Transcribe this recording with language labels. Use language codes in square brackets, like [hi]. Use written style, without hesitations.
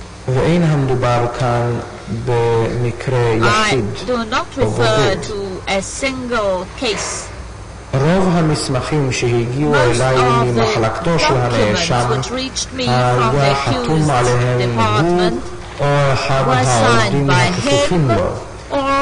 [he] ואין המדובר כאן במקרה יחיד. [en] I do not refer to a single case. [he] רוב המסמכים שהגיעו אליי ממחלקתו של הנאשם היה חתום עליהם הוא או אחד העובדים הכפופים לו.